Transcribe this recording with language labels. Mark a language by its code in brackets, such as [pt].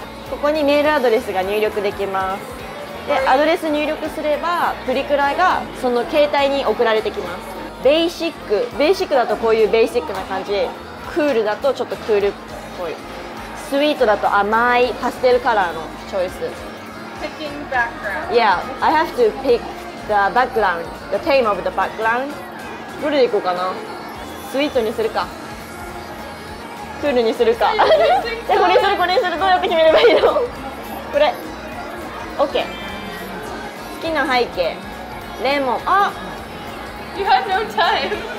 [ja] ここにメールアドレスが入力できます。で、アドレス入力すればプリクラがその携帯に送られてきます。ベーシックだとこういうベーシックな感じ。クールだとちょっとクールっぽい。スイートだと甘いパステルカラーのチョイス。 [en] Picking background. Yeah, I have to pick the background, the theme of the background. [ja] どれで行こうかな。スイートにするか、クールにするか。じゃあこれにする、これにする。どうやって決めればいいの。これ OK。好きな背景レモン。あ、 [en] You have no time。